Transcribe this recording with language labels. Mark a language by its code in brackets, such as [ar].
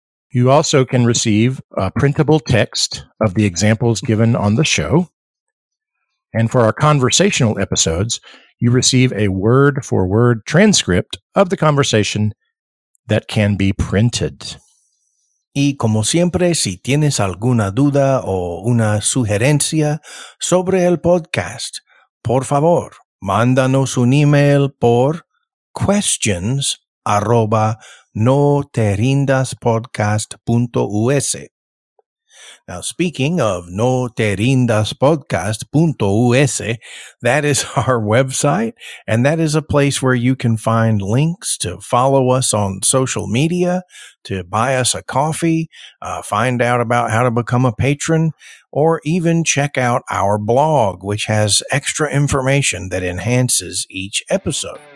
[en] You also can receive a printable text of the examples given on the show. And for our conversational episodes, you receive a word-for-word transcript of the conversation that can be printed. [es] Y como siempre, si tienes alguna duda o una sugerencia sobre el podcast, por favor, mándanos un email por questions@noterindaspodcast.us. [en] Now, speaking of noterindaspodcast.us, that is our website, and that is a place where you can find links to follow us on social media, to buy us a coffee, find out about how to become a patron, or even check out our blog, which has extra information that enhances each episode.